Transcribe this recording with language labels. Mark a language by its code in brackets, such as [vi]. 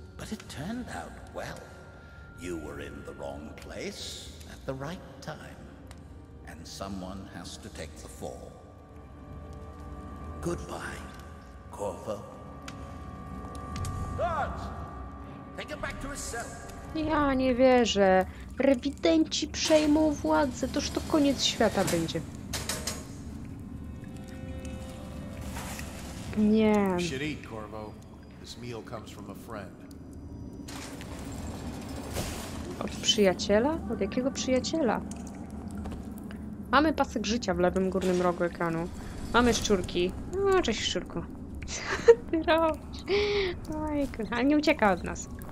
[en] But it turned out well. You were in the wrong place at the right time, and someone has to take the fall. Goodbye, Corvo. Guards! Take him back to his cell! [pl] Ja nie wierzę. Rewidenci przejmą władzę. Toż to koniec świata będzie. Nie. [en] You should eat, Corvo. This meal comes from a friend. [pl] Od przyjaciela? Od jakiego przyjaciela? Mamy pasek życia w lewym górnym rogu ekranu. Mamy szczurki. No, cześć szczurku. Co ty robisz? Oj, kurwa, nie ucieka od nas.